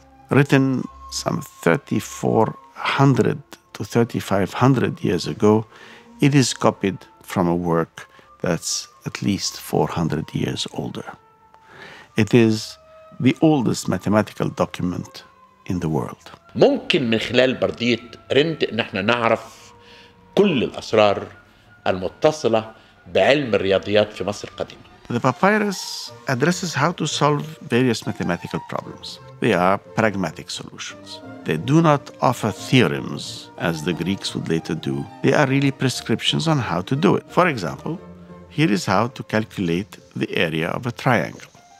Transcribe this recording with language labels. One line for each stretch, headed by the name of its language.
English: Written some 3,400 to 3,500 years ago, it is copied from a work that's at least 400 years older. It is the oldest mathematical document in the world.
Arabic: ممكن من خلال بردية رند نحن نعرف كل الأسرار المتصلة بعلم الرياضيات في مصر القديمة.
English: The papyrus addresses how to solve various mathematical problems. They are pragmatic solutions. They do not offer theorems, as the Greeks would later do. They are really prescriptions on how to do it. For example, here is how to calculate the area of a triangle.